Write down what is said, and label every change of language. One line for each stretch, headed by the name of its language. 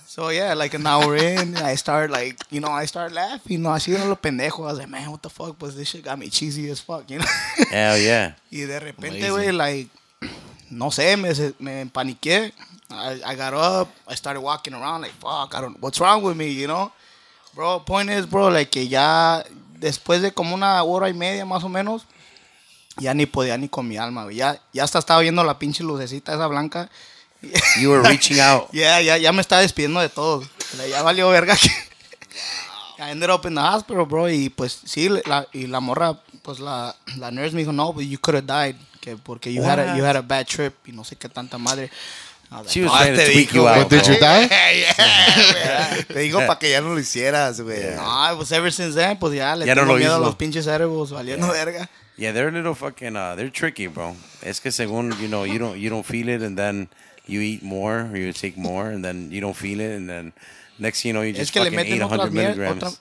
English: So yeah, like an hour in, I start like, you know, I start laughing.
Spanish: No, así era lo pendejo.
English: I was like, man, what the fuck? But this shit got me cheesy as fuck. You know. Hell yeah.
Spanish: Y de repente, güey, like, no sé, me paniqué.
English: I got up, I started walking around like, fuck, I don't, what's wrong with me, you know? Bro, point is, bro, like,
Spanish: que ya, después de como una hora y media, más o menos, ya ni podía ni con mi alma, güey. Ya hasta estaba viendo la pinche lucecita esa blanca.
English: You were reaching out. Ya me estaba despidiendo de todo. Ya valió verga que... I ended up in the hospital, bro, y pues, sí, la morra, pues, la nurse me dijo, no, but you could have died, que porque you had, you had a bad trip, y no sé qué tanta madre... She was trying to tweak you out. Did you die? Yeah.
Spanish: Te digo para que ya no lo hicieras, güey.
English: Nah, it was ever since then,
Spanish: pues ya. Le tengo miedo a los pinches edibles, valiendo verga.
English: Yeah, they're a little fucking, they're tricky, bro.
Spanish: Es que según,
English: you know, you don't feel it, and then you eat more, or you take more, and then you don't feel it, and then next thing you know, you just fucking ate 100 milligrams.